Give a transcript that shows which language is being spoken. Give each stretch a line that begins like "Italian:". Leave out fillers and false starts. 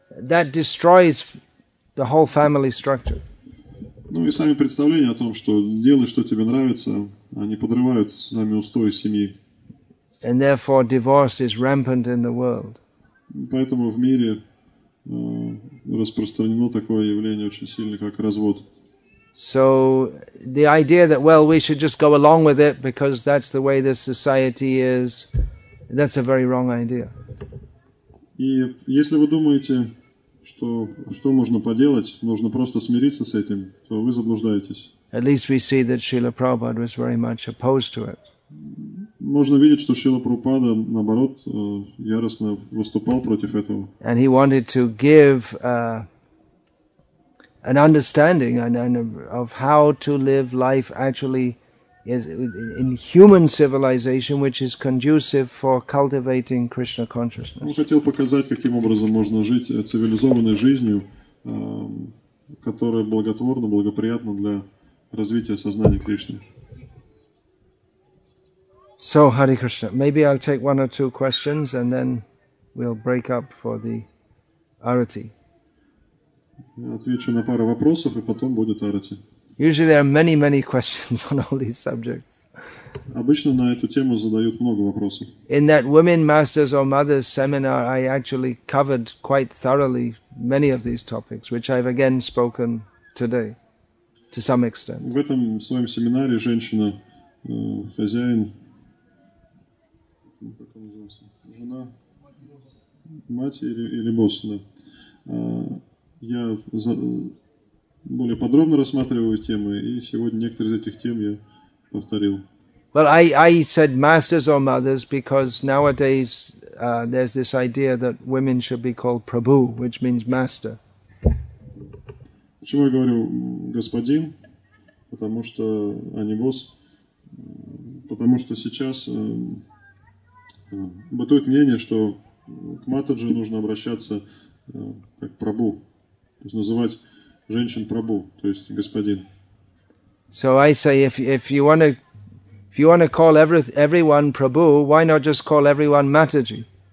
English: That destroys the whole family structure.
Russian: Ну и сами представления о том, что делай, что тебе нравится, они подрывают сами устои семьи.
English: And therefore, divorce is rampant in the world.
Russian: Поэтому в мире распространено такое явление очень сильное, как развод.
English: So the idea that, well, we should just go along with it because that's the way this society is, that's a very wrong idea.
Russian: И если вы думаете, что можно поделать, нужно просто смириться с этим, то вы заблуждаетесь.
English: At least we see that Srila Prabhupada was very much opposed to it.
Russian: Можно видеть, что Шрила Прабхупада, наоборот, яростно выступал против этого.
English: And he wanted to give an understanding of how to live life actually is in human civilization, which is conducive for cultivating Krishna consciousness.
Russian: Он хотел показать, каким образом можно жить цивилизованной жизнью, которая благотворна, благоприятна для развития сознания Кришны.
English: So, Hare Krishna, maybe I'll take one or two questions and then we'll break up for the arati.
Russian: Я отвечу на пару вопросов, и потом будет арати.
English: Usually there are many, many questions on all these subjects.
Russian: Обычно на эту тему задают много вопросов.
English: In that Women Masters or Mothers seminar, I actually covered quite thoroughly many of these topics, which I've again spoken today, to some extent.
Russian: В этом своем семинаре женщина, хозяин, как он назывался, жена, мать или босс, да. Я более подробно рассматриваю темы, и сегодня некоторые из этих тем я повторил.
English: Well, I said masters or mothers because nowadays there's this idea that women should be called Prabhu, which means master.
Russian: Почему я говорю господин? Потому что, а не босс. Потому что сейчас бытует мнение, что к матаджи нужно обращаться как Прабу. То есть называть женщин Прабу, то есть господин.
English: So I say, if you want to call everyone Prabhu, why not just call everyone Mataji?